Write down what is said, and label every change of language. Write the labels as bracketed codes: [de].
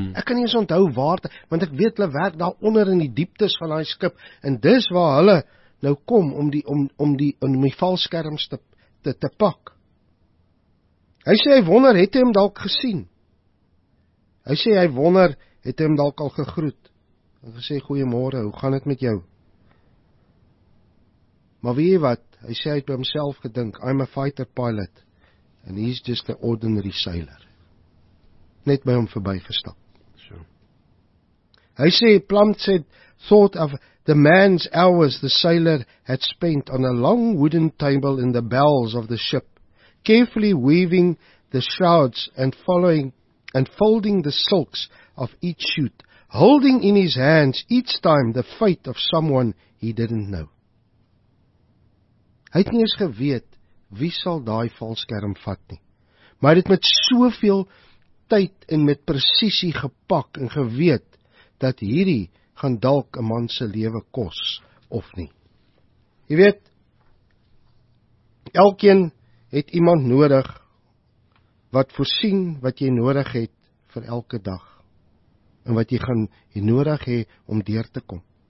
[af] Ek kan nie eens onthou waar, want ek weet, hulle werk daar onder in die dieptes van die skip, en dis waar hulle nou kom, om die valskerms te pak. Hy sê, hy wonder, het hy hem dalk gesien? Hy sê, hy wonder, het hy hem dalk al gegroet? En hy sê, goeiemorgen, hoe gaan het met jou? Maar weet jy wat, hy sê, hy het by homself gedink, [en] I'm a fighter pilot, and he's just an ordinary sailor. [af] Net by hom verby gestap. So. Hy sê, [en] Plum said, thought of the man's hours the sailor had spent on a long wooden table in the bowels of the ship, carefully weaving the shrouds and folding the silks of each suit, holding in his hands each time the fate of someone he didn't know. [af] Hy het nie eens geweet, wie sal daai valskerm vat nie. Maar hy het met soveel tyd en met presisie gepak en geweet, dat hierdie gaan dalk 'n man se lewe kos, of nie. Jy weet, elkeen het iemand nodig, wat voorsien wat jy nodig het vir elke dag, en wat jy gaan jy nodig hê om deur te kom.